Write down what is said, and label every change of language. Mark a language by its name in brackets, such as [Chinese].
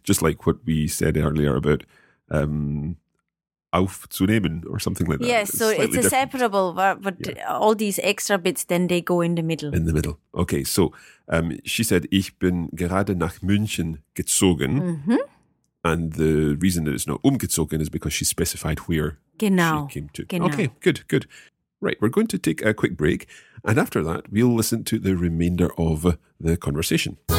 [English] Just like what we said earlier about aufzunehmen or something like that. Yes, so it's a separable verb, but all these extra bits, then they go in the middle. In the middle. Okay, so she said, [German] ich bin gerade nach München gezogen. [English] Mm-hmm. And the reason that it's not umgezogen is because she specified where she came to. [German] Genau. [English] Okay, good. Right, we're going to take a quick break. And after that, we'll listen to the remainder of the conversation.